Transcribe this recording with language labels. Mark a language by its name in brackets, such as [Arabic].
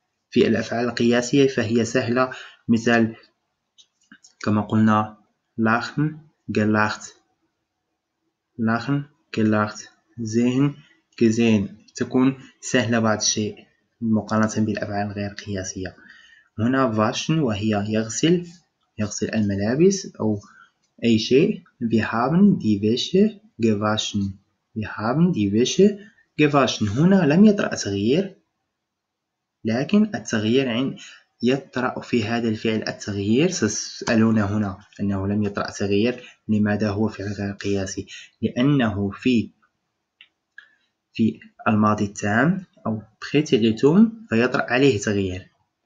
[Arabic] في الأفعال القياسية فهي سهلة، مثال كما قلنا lachen gelacht، lachen gelacht، sehen gesehen، تكون سهلة بعض الشيء مقارنة بالأفعال الغير قياسية. هنا waschen وهي يغسل، يغسل الملابس أو أي شيء. [German] wir haben die Wäsche gewaschen، wir haben die Wäsche gewaschen. [Arabic] هنا لم يطرأ تغيير، لكن التغيير عند يطرأ في هذا الفعل التغيير. ستسألون هنا أنه لم يطرأ تغيير، لماذا هو فعل غير قياسي؟ لأنه في الماضي التام أو بريتيريتوم فيطرأ عليه تغيير.